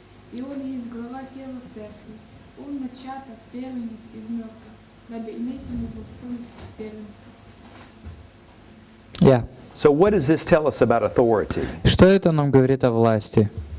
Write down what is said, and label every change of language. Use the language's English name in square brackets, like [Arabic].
[Russian] И он есть глава тела церкви, он начаток, первенец из мертвых, дабы иметь ему во всем первенство. [English] Yeah. So what does this tell us about authority? [Russian] Что это нам говорит о власти?